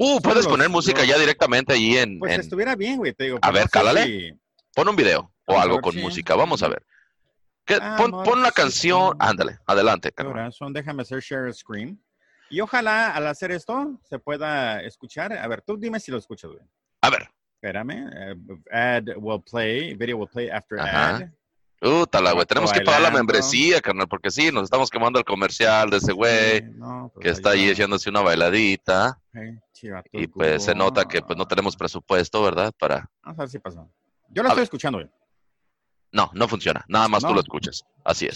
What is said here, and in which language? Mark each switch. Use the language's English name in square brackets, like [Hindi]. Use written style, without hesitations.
[Spanish] Puedes poner música ya directamente ahí en... Pues en... estuviera bien, güey, te digo. A ver, cálale. Si... Pon un video o algo con música, vamos a ver. Pon la canción, ándale, adelante, carnal. Corazón, déjame hacer share screen. Y ojalá al hacer esto se pueda escuchar. A ver, tú dime si lo escuchas, güey. A ver. [English] Espérame. Ad will play. Video will play after ad. [Spanish] Útala, güey. Tenemos que pagar la membresía, carnal, porque sí, nos estamos quemando el comercial de ese güey que está ahí echándose una bailadita. Y pues se nota que pues no tenemos presupuesto, ¿verdad? Para... Vamos a ver si pasó. Yo la estoy escuchando, güey. No, no funciona. Nada más tú lo escuchas. Así es.